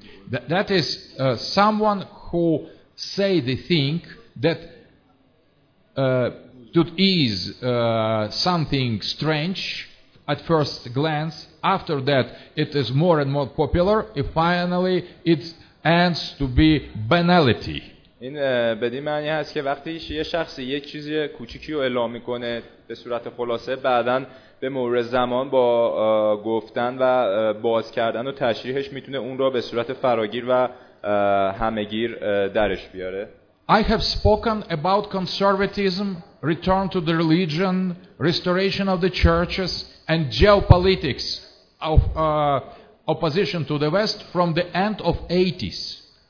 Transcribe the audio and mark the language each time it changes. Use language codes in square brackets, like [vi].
[en] That is someone who say the thing that that is something strange at first glance, after that it is more and more popular, if finally it ends to be banality. [fa] این بدین معنی هست که وقتی یه شخصی یک چیز کوچیکی رو اعلام میکنه به صورت خلاصه، بعداً به مرور زمان با گفتن و باز کردن و تشریحش میتونه اون را به صورت فراگیر و همگیر درش بیاره. [en] I have spoken about conservatism, return to the religion, restoration of the churches and geopolitics of opposition to the West from the end of 80s.